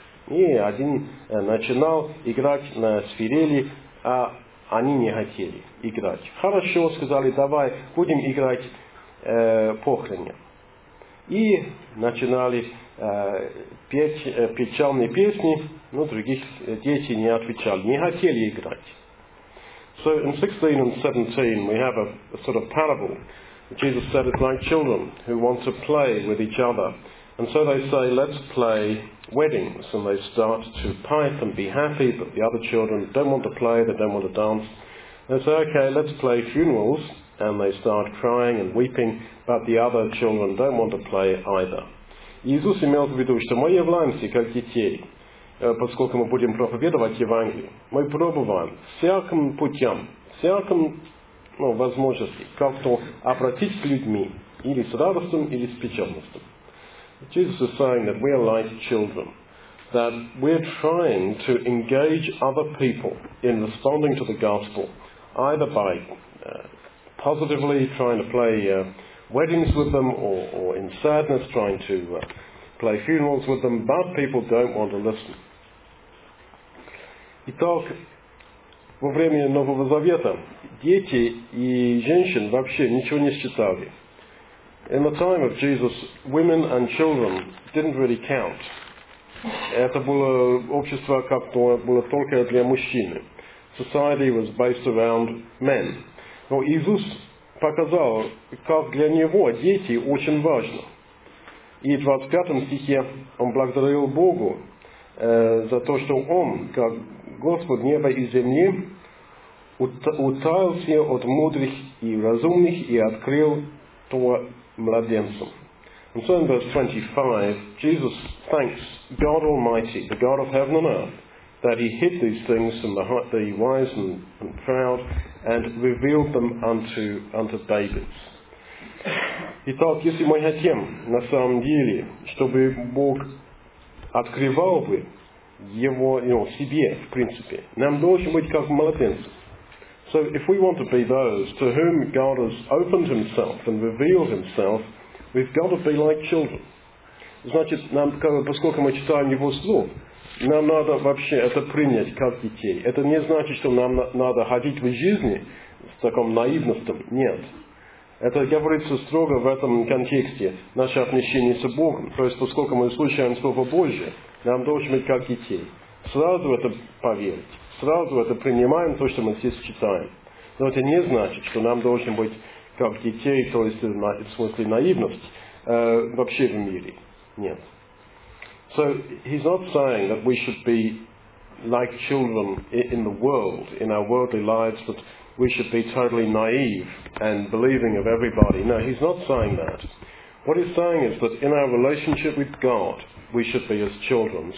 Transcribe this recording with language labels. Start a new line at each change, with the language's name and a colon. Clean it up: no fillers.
Russian: И один начинал играть на свирели, а они не хотели играть. Хорошо, сказали, давай, будем играть похороны. И начинали петь печальные песни, но других дети не отвечали, не хотели играть.
English: So in 16 and 17 we have a sort of parable. Jesus said it's like children who want to play with each other. And so they say, let's play weddings, and they start to pipe and be happy, but the other children don't want to play, they don't want to dance. They say, okay, let's play funerals, and they start crying and weeping, but the other children don't want to play either.
Russian: Иисус имел в виду, что мы являемся как детей, поскольку мы будем проповедовать Евангелие. Мы пробуем всяким путем, всяким возможностью как-то обратиться к людьми, или с радостью, или с печальностью.
English: Jesus is saying that we are like children, that we're trying to engage other people in responding to the gospel, either by positively trying to play weddings with them, or in sadness trying to play funerals with them, but people don't want to listen.
Russian: Итак, во время Нового Завета дети и женщины вообще ничего не считали.
English: In the time of Jesus, women and children didn't really count.
Russian: Это было общество как-то было только для мужчин.
English: Society was based around men.
Russian: Но Иисус показал, как для него дети очень важно. И в 25 стихе он благодарил Богу за то, что он, как Господь неба и земли, утаился от мудрых и разумных и открыл то, младенцем.
English: And so in verse 25, Jesus thanks God Almighty, the God of heaven and earth, that he hid these things from the wise and proud and revealed them unto babies.
Russian: Итак, если мы хотим, на самом деле, чтобы Бог открывал бы его, себе, в принципе, нам должен быть как младенцем.
English: So if we want to be those to whom God has opened himself and revealed himself, we've got to be like children.
Russian: Значит, нам, поскольку мы читаем его слово, нам надо вообще это принять как детей. Это не значит, что нам надо ходить в жизни с таким наивностью. Нет. Это говорится строго в этом контексте наше отношение с Богом. То есть, поскольку мы слушаем Слово Божие, нам должно быть как детей. Сразу это поверить. Сразу это принимаем, то, что мы здесь читаем. Но это не значит, что нам должен быть как детей, то есть в смысле наивность, вообще в мире. Нет.
English: So, he's not saying that we should be like children in the world, in our worldly lives, that we should be totally naive and believing of everybody. No, he's not saying that. What he's saying is that in our relationship with God, we should be as children.